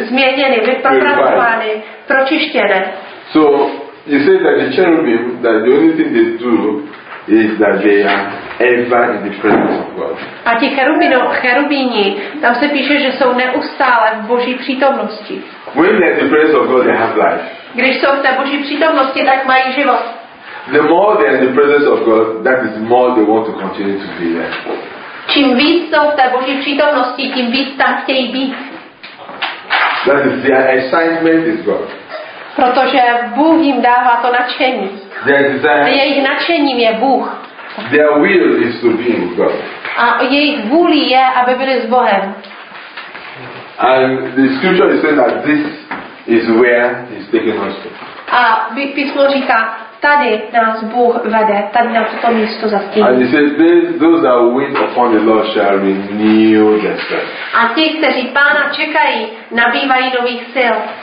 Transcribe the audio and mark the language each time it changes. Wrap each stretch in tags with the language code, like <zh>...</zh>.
<cs>Změněny, vypropracovány, pročištěné.</cs> <en>So, you say that the cherubim, that the only thing they do is that they are ever in the presence of God.</en> <cs>A ti cherubíni, tam se píše, že jsou neustále v Boží přítomnosti.</cs> <en>When they're in the presence of God, they have life.</en> <cs>Když jsou v té Boží přítomnosti, tak mají život.</cs> <en>The more they're in the presence of God, that is more they want to continue to be there.</en> <cs>Čím víc jsou v té Boží přítomnosti, tím víc tam chtějí být.</cs> <en>That is their assignment is God.</en> <cs>Protože Bůh jim dává to nadšení.</cs> <en>Their</en> <cs>jejich nadšením je Bůh.</cs> <en>Their will is to be with God.</en> <cs>A jejich vůli je, aby byli s Bohem.</cs> <en>And the scripture is saying that this is where he's taking us to.</en> <cs>A písmo říká, tady nás Bůh vede, tady nás toto místo zastíní.</cs> <en>And he says, those that wait upon the Lord shall renew their strength.</en> <cs>A ti, kteří Pána čekají, nabývají nových sil.</cs>